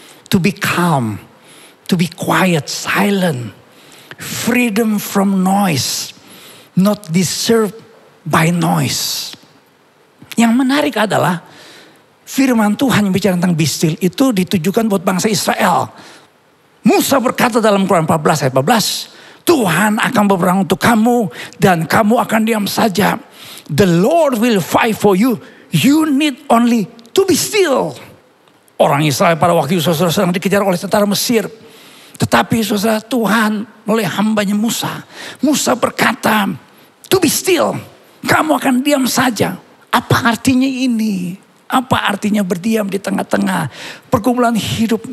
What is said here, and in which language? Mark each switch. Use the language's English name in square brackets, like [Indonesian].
[English] To be calm, to be quiet, silent, freedom from noise, not disturbed by noise. [Indonesian] Yang menarik adalah firman Tuhan yang bicara tentang be still itu ditujukan buat bangsa Israel. Musa berkata dalam Quran 14 ayat 14, Tuhan akan berperang untuk kamu dan kamu akan diam saja. [English] The Lord will fight for you, you need only to be still. [Indonesian] Orang Israel pada waktu itu sedang dikejar oleh tentara Mesir. Tetapi saudara Tuhan melalui hambanya Musa. Musa berkata, [English] to be still. [Indonesian] Kamu akan diam saja. Apa artinya ini? Apa artinya berdiam di tengah-tengah pergumulan hidup?